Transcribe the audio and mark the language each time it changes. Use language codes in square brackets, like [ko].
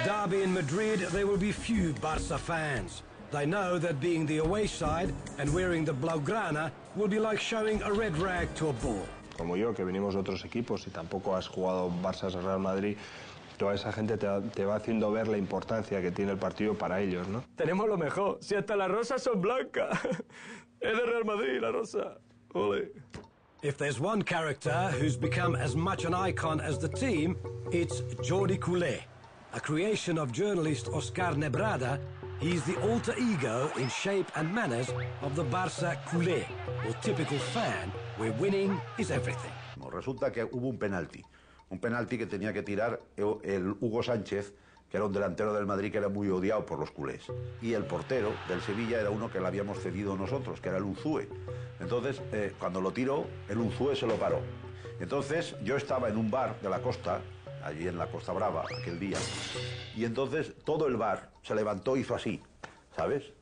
[en] In Madrid, there will be few Barca fans. They know that being the away side and wearing the Blaugrana will be like showing a red rag to a bull. [es] Como yo, que venimos de otros equipos y tampoco has jugado Barça Real Madrid, toda esa gente te va haciendo ver la importancia que tiene el partido para ellos, ¿no? Tenemos lo mejor. Si hasta las rosas son blancas. Es de Real Madrid, la rosa. Ole. [en] If there's one character who's become as much an icon as the team, it's Jordi Culé. A creation of journalist Oscar Nebrada, he's the alter ego in shape and manners of the Barça culé, or typical fan, where winning is everything. [es] Resulta que hubo un penalti que tenía que tirar el Hugo Sánchez, que era un delantero del Madrid que era muy odiado por los culés. Y el portero del Sevilla era uno que le habíamos cedido nosotros, que era el Unzué. Entonces, cuando lo tiró, el Unzué se lo paró. Entonces, yo estaba en un bar de la costa, allí en la Costa Brava, aquel día, y entonces todo el bar se levantó y hizo así, ¿sabes?